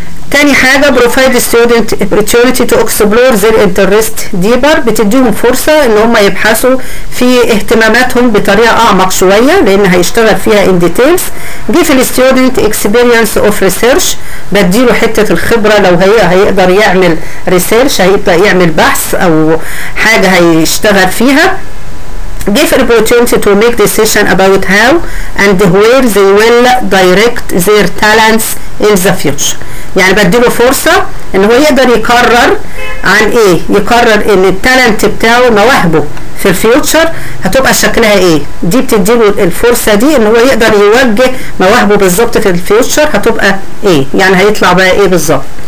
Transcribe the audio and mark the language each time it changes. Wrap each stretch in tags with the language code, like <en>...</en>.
<ar>تاني حاجه</ar> <en>provide student opportunity to explore their interest deeper,</en> <ar>بتديهم فرصه ان هم يبحثوا في اهتماماتهم بطريقه اعمق شويه لان هيشتغل فيها</ar> <en>ان ديتيلز. جيف الستودنت اكسبيرينس اوف ريسيرش،</en> <ar>بديله حته الخبره لو هي هيقدر يعمل ريسيرش، هيبدأ يعمل بحث او حاجه هيشتغل فيها.</ar> <en>Give an opportunity to make decision about how and where they will direct their talents in the future.</en> <ar>يعني بديله فرصة ان هو يقدر يقرر عن ايه، يقرر ان التالنت بتاعه مواهبه في الفيوتشر هتبقى شكلها ايه. دي بتديله الفرصة دي ان هو يقدر يوجه مواهبه بالظبط في الفيوتشر هتبقى ايه، يعني هيطلع بقى ايه بالظبط.</ar>